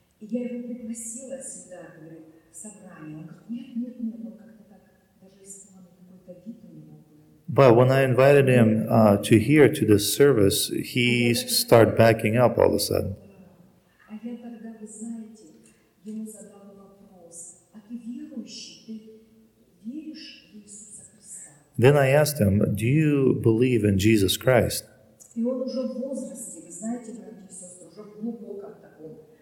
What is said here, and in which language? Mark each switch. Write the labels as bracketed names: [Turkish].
[Russian] Я его пригласила сюда, говорю, в собрание. Он говорит, нет, он как-то так, даже если он какой-то вид у него. [English] But when I invited him to here, to this service, he started backing up all of a sudden. [Russian] А я тогда, вы знаете, ему задала вопрос, а ты верующий, ты веришь в Иисуса Христа? [English] Then I asked him, do you believe in Jesus Christ? [Russian] И он уже в возрасте, вы знаете, братья и сестры, уже в глубоком таком.